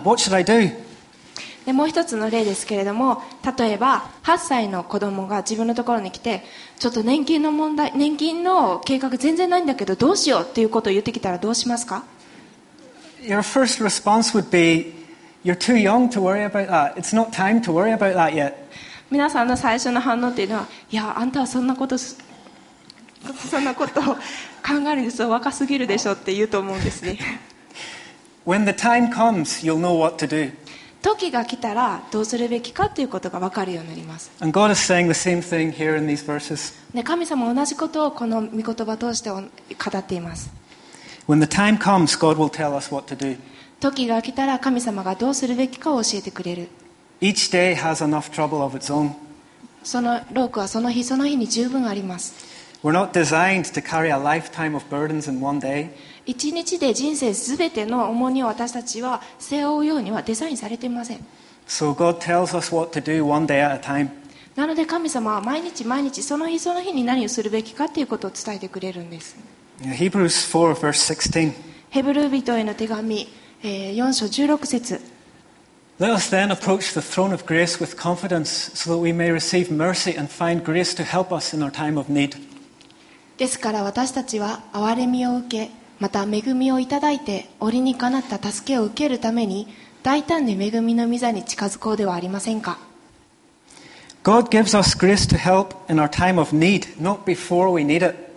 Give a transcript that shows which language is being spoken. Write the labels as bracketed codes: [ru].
[en] What should I do? [ja] でもう一つの例ですけれども、例えば8歳の子供が自分のところに来て、ちょっと年金の問題、年金の計画全然ないんだけど、どうしようっていうことを言ってきたらどうしますか？ [en] Your first response would be, you're too young to worry about that. It's not time to worry about that yet. [ja] 皆さんの最初の反応っていうのは、いや、あんたはそんなことす、そんなことを考えるんですよ、若すぎるでしょって言うと思うんですね。 [en] When the time comes, you'll know what to do. [ja] 時が来たらどうするべきかということが分かるようになります。 [en] And God is saying the same thing here in these verses. [ja] 神様は同じことをこの御言葉を通して語っています。 [en] When the time comes, God will tell us what to do. [ja] 時が来たら神様がどうするべきかを教えてくれる。 [en] Each day has enough trouble of its own. [ja] そのロークはその日その日に十分あります。 [en] We're not designed to carry a lifetime of burdens in one day. [ja] 一日で人生すべての重荷を私たちは背負うようにはデザインされていません。 [en] So God tells us what to do one day at a time. [ja] なので神様は毎日毎日その日その日に何をするべきかということを伝えてくれるんです。 [en] Hebrews 4 verse 16. [ja] ヘブル人への手紙、4章16節。 [en] Let us then approach the throne of grace with confidence, so that we may receive mercy and find grace to help us in our time of need. [ja] ですから私たちは憐れみを受け、また恵みをいただいて折にかなった助けを受けるために大胆に恵みの御座に近づこうではありませんか。 [en] God gives us grace to help in our time of need, not before we need it.